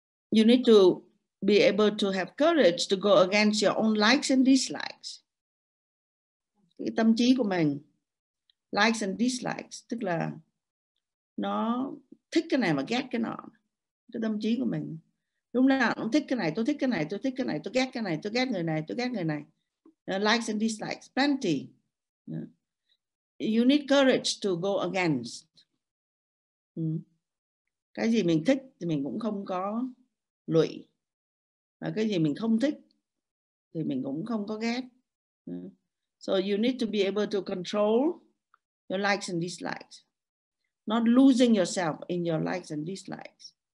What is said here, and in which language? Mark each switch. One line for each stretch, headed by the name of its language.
English: You need to be able to have courage to go against your own likes and dislikes.
Vietnamese: Cái tâm trí của mình,
English: likes and dislikes,
Vietnamese: tức là nó thích cái này mà ghét cái nọ. Cái tâm trí của mình lúc nào cũng thích cái này, tôi thích cái này, tôi thích cái này, tôi ghét cái này, tôi ghét người này, tôi ghét người này.
English: Likes and dislikes, plenty. You need courage to go against.
Vietnamese: Cái gì mình thích thì mình cũng không có lụy. Và cái gì mình không thích thì mình cũng không có ghét.
English: So you need to be able to control your likes and dislikes. Not losing yourself in your likes and dislikes.